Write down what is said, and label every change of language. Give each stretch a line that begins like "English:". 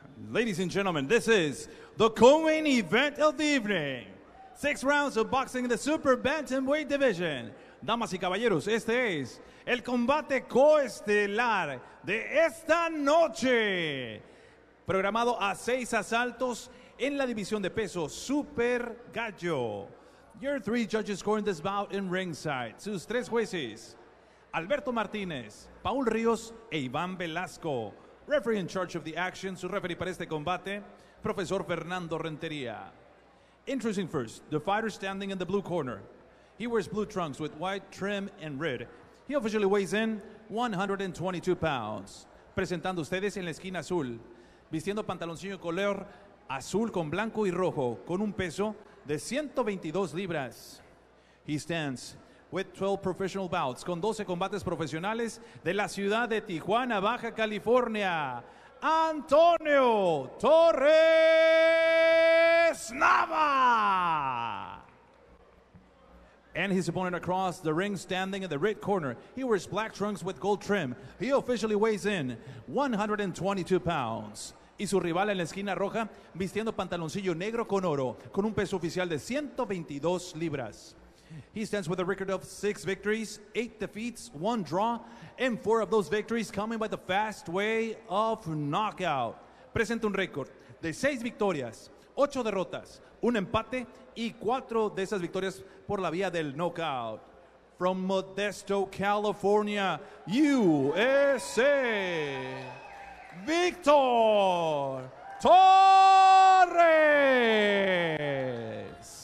English: ladies and gentlemen, this is the co-main event of the evening. 6 rounds of boxing in the super bantamweight division.
Spanish: Damas y caballeros, este es el combate coestelar de esta noche. Programado a 6 asaltos en la división de peso super gallo.
English: Your 3 judges scoring this bout in ringside.
Spanish: Sus 3 jueces, Alberto Martinez, Paul Ríos e Iván Velasco.
English: Referee in charge of the action,
Spanish: su referee para este combate, Profesor Fernando Rentería.
English: Introducing first, the fighter standing in the blue corner. He wears blue trunks with white trim and red. He officially weighs in 122 pounds.
Spanish: Presentando ustedes en la esquina azul, vistiendo pantaloncillo color azul con blanco y rojo, con un peso de 122 libras.
English: He stands with 12 professional bouts,
Spanish: con 12 combates profesionales de la ciudad de Tijuana, Baja California. Antonio Torres Nava.
English: And his opponent across the ring, standing in the red corner. He wears black trunks with gold trim. He officially weighs in 122 pounds.
Spanish: Y su rival en la esquina roja, vistiendo pantaloncillo negro con oro, con un peso oficial de 122 libras.
English: He stands with a record of 6 victories, 8 defeats, 1 draw, and 4 of those victories coming by the fast way of knockout.
Spanish: Presenta un récord de 6 victorias, 8 derrotas, 1 empate, y 4 de esas victorias por la vía del knockout.
English: From Modesto, California, USA, Victor Torres.